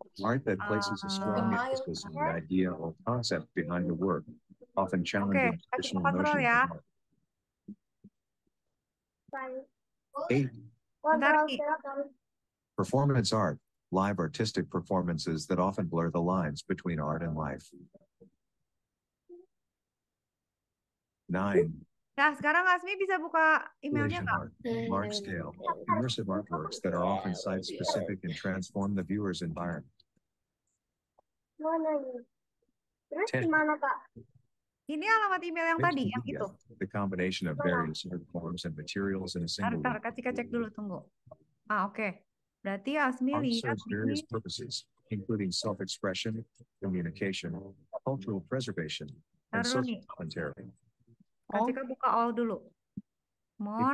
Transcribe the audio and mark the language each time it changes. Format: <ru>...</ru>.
<en>Art that places a strong emphasis on the idea or concept behind the work, often challenging traditional notions of art. Ya. Eight. Performance art. Live artistic performances that often blur the lines between art and life. Nine.</en> <id>Nah, sekarang Asmi bisa buka emailnya nggak?</id> <en>Large scale, immersive artworks that are often site-specific and transform the viewer's environment.</en> <id>Mana ini? Terus di mana, Kak? Ini alamat email yang tadi, yang itu.</id> <en>The combination of various art forms and materials in a single room.</en> <id>Ntar, Kak, cek dulu, tunggu. Ah, oke. Okay. Berarti Asmi lihat ini.</id> <en>Art serves various purposes, including self-expression, communication, cultural preservation, and social commentary.</en> <id>Kacika buka all dulu. More.</id>